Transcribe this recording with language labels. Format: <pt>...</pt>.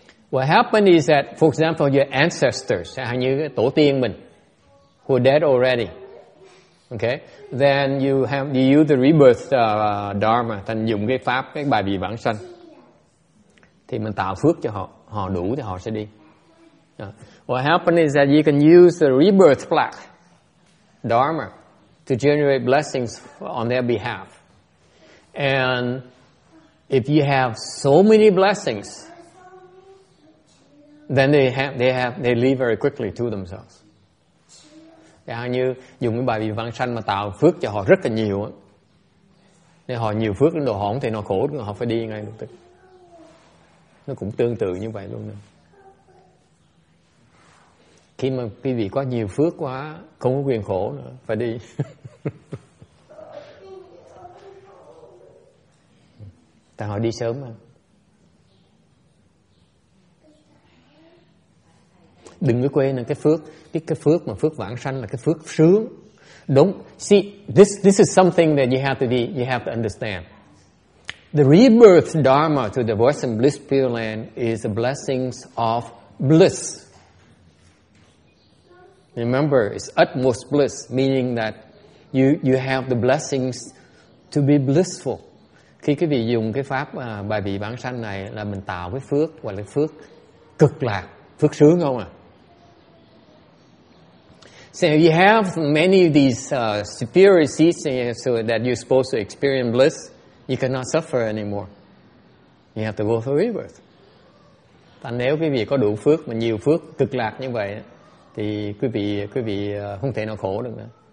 <en>What happened is that, for example, your ancestors,</en> <vi>hay như tổ tiên mình,</vi> <en>who are dead already. Okay, then you have you use the rebirth dharma,</en> <vi>thành dùng cái pháp cái bài vị vãng sanh, thì mình tạo phước cho họ, họ đủ thì họ sẽ đi.</vi> <en>What happens is that you can use the rebirth plaque dharma to generate blessings on their behalf, and if you have so many blessings, then they leave very quickly to themselves.</en> <vi>Chẳng như dùng cái bài vị vãng sanh mà tạo phước cho họ rất là nhiều á. Nếu họ nhiều phước đến độ họ không thể nào khổ được, họ phải đi ngay lập tức. Nó cũng tương tự như vậy luôn đó. Khi mà quý vị có nhiều phước quá, không có quyền khổ nữa, phải đi. Tại họ đi sớm mà. Đừng có quên là cái phước mà phước vãng sanh là cái phước sướng. Đúng.</vi> <en>See, this is something that you have to understand. The rebirth dharma to the voice and bliss pure land is the blessings of bliss. Remember, it's utmost bliss, meaning that you have the blessings to be blissful.</en> <vi>Khi quý vị dùng cái pháp bài vị vãng sanh này là mình tạo cái phước gọi là phước cực lạc, phước sướng không ạ?</vi> <en>So if you have many of these superior seeds in you so that you're supposed to experience bliss, you cannot suffer anymore. You have to go for rebirth.</en> <vi>Và nếu quý vị có đủ phước mà nhiều phước cực lạc như vậy, thì quý vị không thể nào khổ được nữa.</vi>